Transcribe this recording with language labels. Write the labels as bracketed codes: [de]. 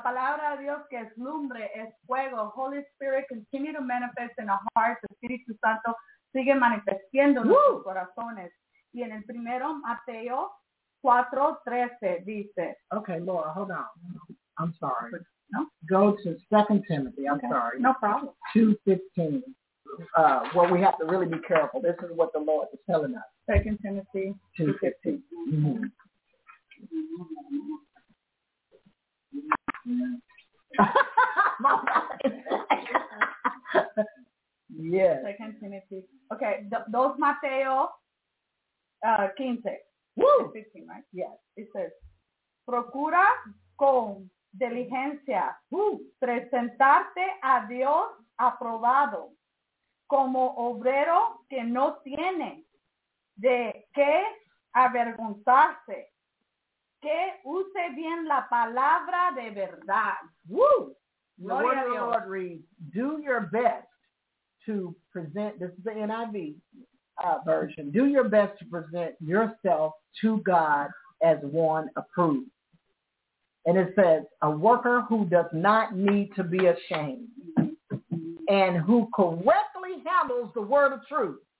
[es] palabra de Dios que es lumbre, es fuego. [en] Holy Spirit, continue to manifest in our hearts. [es] Espíritu Santo sigue manifestando nuestros corazones. Y en el primero, Mateo 4:13 dice. [en] Okay, Laura, hold on. I'm sorry. No. Go to 2 Timothy. I'm sorry. No problem. 2:15. Well, we have to really be careful. This is what the Lord is telling us. 2 Timothy 2:15. Mm-hmm. Yes. 2 Timothy. Okay, those Mateo 15. Woo! 15, right? Yes. It says, [es] procura con diligencia presentarte a Dios aprobado como obrero que no tiene de qué avergonzarse, que use bien la palabra de verdad. Woo! [en] The word of the Lord reads, do your best to present, this is the NIV version, do your best to present yourself to God as one approved. And it says, a worker who does not need to be ashamed and who correctly handles the word of truth.